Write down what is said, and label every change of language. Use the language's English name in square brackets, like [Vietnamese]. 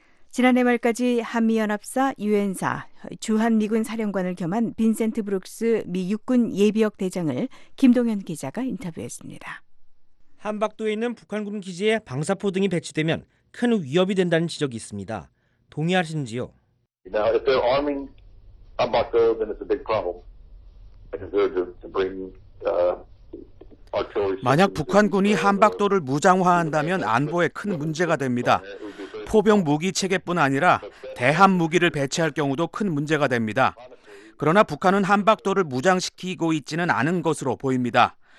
[Korean] 지난해 말까지 한미연합사, 유엔사, 주한미군 사령관을 겸한 빈센트 브룩스 미 육군 예비역 대장을 김동현 기자가 인터뷰했습니다. 한반도에 있는 북한군 기지에 방사포 등이 배치되면 큰 위협이 된다는 지적이 있습니다. 동의하시는지요? [English] Now, if they're arming Hanbok, then it's a big problem. To bring artillery. [Korean] 만약 북한군이 한박도를 무장화한다면 안보에 큰 문제가 됩니다. 포병 무기 체계뿐 아니라 대함 무기를 배치할 경우도 큰 문제가 됩니다. 그러나 북한은 한박도를 무장시키고 있지는 않은 것으로 보입니다.